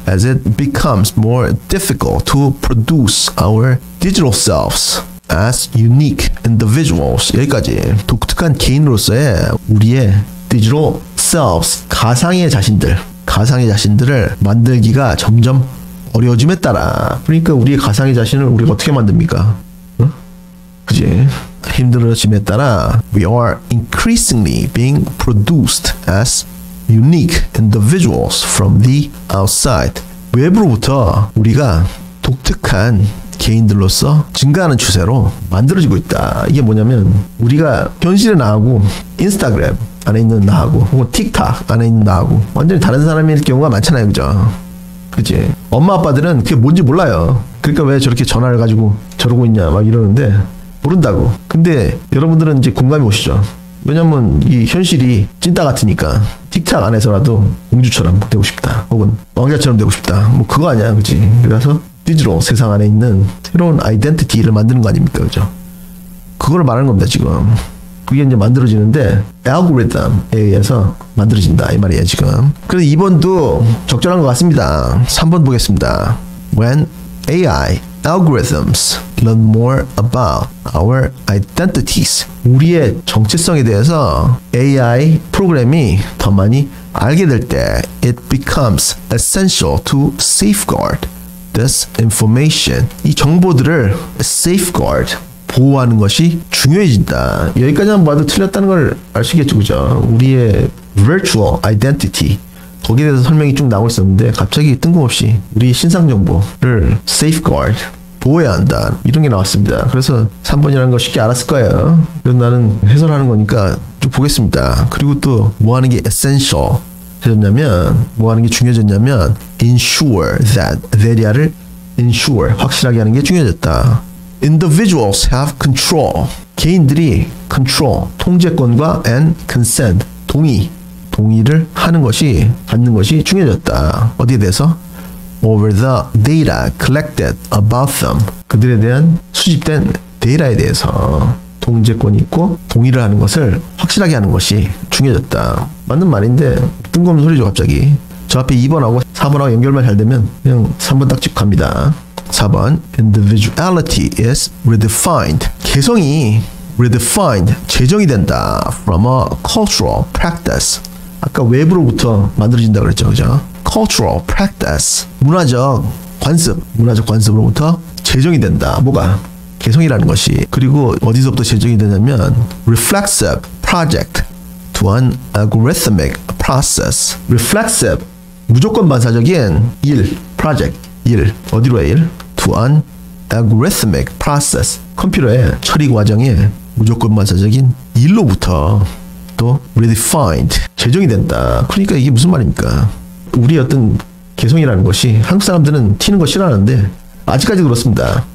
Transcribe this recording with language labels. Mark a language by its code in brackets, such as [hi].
[en] As it becomes more difficult to produce our digital selves as unique individuals [ko] 여기까지 독특한 개인으로서의 우리의 digital selves 가상의 자신들을 만들기가 점점 어려워짐에 따라 그러니까 우리의 가상의 자신을 우리가 어떻게 만듭니까? 응? 그지? 힘들어짐에 따라 [en] We are increasingly being produced as unique individuals from the outside [ko] 외부로부터 우리가 독특한 개인들로서 증가하는 추세로 만들어지고 있다. 이게 뭐냐면 우리가 현실에 나하고 인스타그램 안에 있는 나하고 혹은 틱톡 안에 있는 나하고 완전히 다른 사람일 경우가 많잖아요 그죠? 그치? 엄마 아빠들은 그게 뭔지 몰라요. 그러니까 왜 저렇게 전화를 가지고 저러고 있냐 막 이러는데 모른다고. 근데 여러분들은 이제 공감이 오시죠. 왜냐면 이 현실이 찐따 같으니까 틱톡 안에서라도 공주처럼 되고 싶다 혹은 왕자처럼 되고 싶다 뭐 그거 아니야 그치? 그래서 디지털 세상 안에 있는 새로운 아이덴티티를 만드는 거 아닙니까 그죠? 그걸 말하는 겁니다 지금. 그게 이제 만들어지는데 알고리즘에 의해서 만들어진다 이 말이에요 지금. 그래서 2번도 적절한 것 같습니다. 3번 보겠습니다. When [en] AI, algorithms, learn more about our identities. [ko] 우리의 정체성에 대해서 AI 프로그램이 더 많이 알게 될 때, [en] it becomes essential to safeguard this information. [ko] 이 정보들을 safeguard, 보호하는 것이 중요해진다. 여기까지 한번 봐도 틀렸다는 걸 아시겠죠, 그죠? 우리의 virtual identity. 거기에 대해서 설명이 쭉 나오고 있었는데 갑자기 뜬금없이 우리 신상정보를 safeguard, 보호해야 한다 이런 게 나왔습니다. 그래서 3번이라는 거 쉽게 알았을 거예요. 그래서 나는 해설하는 거니까 쭉 보겠습니다. 그리고 또 뭐 하는 게 essential 되었냐면 뭐 하는 게 중요해졌냐면 ensure that, 대리아를 ensure, 확실하게 하는 게 중요해졌다. [en] Individuals have control, [ko] 개인들이 control, 통제권과 and consent, 동의, 동의를 하는 것이, 받는 것이 중요해졌다. 어디에 대해서? [en] Over the data collected about them. [ko] 그들에 대한 수집된 데이터에 대해서 통제권이 있고 동의를 하는 것을 확실하게 하는 것이 중요해졌다. 맞는 말인데 뜬금없는 소리죠, 갑자기. 저 앞에 2번하고 4번하고 연결만 잘 되면 그냥 3번 딱 찍고 갑니다. [en] 4번, individuality is redefined. [ko] 개성이 redefined, 재정이 된다. [en] From a cultural practice. [ko] 아까 외부로부터 만들어진다 그랬죠, 그죠? Cultural practice, 문화적 관습, 문화적 관습으로부터 재정이 된다. 뭐가? 개성이라는 것이. 그리고 어디서부터 재정이 되냐면 [en] reflexive project to an algorithmic process. [ko] reflexive, 무조건 반사적인 일, project, 일, 어디로의 일? to an algorithmic process, 컴퓨터의 처리 과정에 무조건 반사적인 일로부터 또 redefined, 재정이 된다. 그러니까 이게 무슨 말입니까? 우리 어떤 개성이라는 것이 한국 사람들은 튀는 거 싫어하는데 아직까지 그렇습니다.